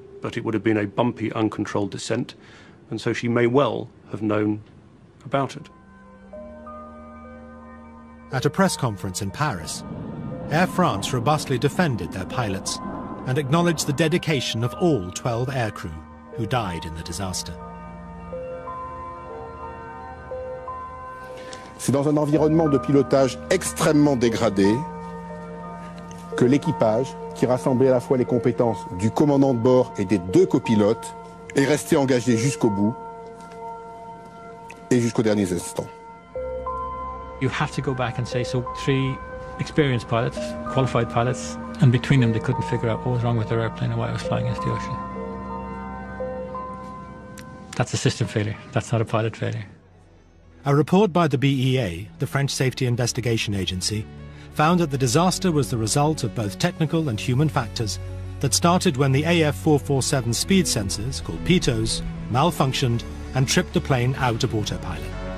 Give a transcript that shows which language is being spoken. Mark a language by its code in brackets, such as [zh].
[en] But it would have been a bumpy, uncontrolled descent. And so she may well have known about it. At a press conference in Paris, Air France robustly defended their pilots and acknowledged the dedication of all 12 aircrew who died in the disaster. [fr] C'est dans un environnement de pilotage extrêmement dégradé que l'équipage, qui rassemblait à la fois les compétences du commandant de bord et des deux copilotes, est resté engagé jusqu'au bout et jusqu'aux derniers instants. [en] You have to go back and say, so three experienced pilots, qualified pilots, and between them they couldn't figure out what was wrong with their airplane and why it was flying into the ocean. That's a system failure. That's not a pilot failure. A report by the BEA, the French Safety Investigation Agency, found that the disaster was the result of both technical and human factors that started when the AF447 speed sensors, called pitots, malfunctioned and tripped the plane out of autopilot.